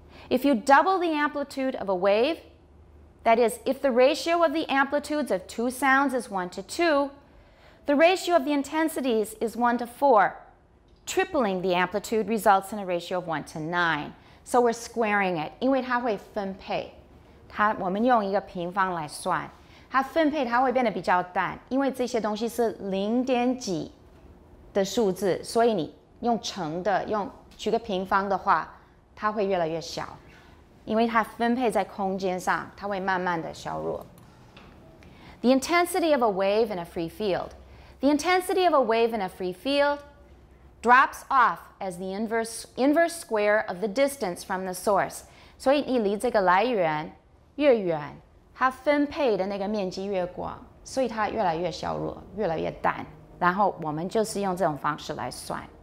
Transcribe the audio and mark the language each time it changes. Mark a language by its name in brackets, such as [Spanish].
[English] If you double the amplitude of a wave。 That is, if the ratio of the amplitudes of two sounds is 1:2, the ratio of the intensities is 1:4. Tripling the amplitude results in a ratio of 1:9. So we're squaring it. [Chinese] 因为它会分配，我们用一个平方来算，它分配它会变得比较淡，因为这些东西是零点几的数字，所以你用乘的，用取个平方的话，它会越来越小。因为它分配在空间上，它会慢慢的削弱。 [English] The intensity of a wave in a free field. The intensity of a wave in a free field drops off as the inverse square of the distance from the source. [Chinese] 所以你离这个来源越远，它分配的那个面积越广，所以它越来越削弱，越来越淡。然后我们就是用这种方式来算。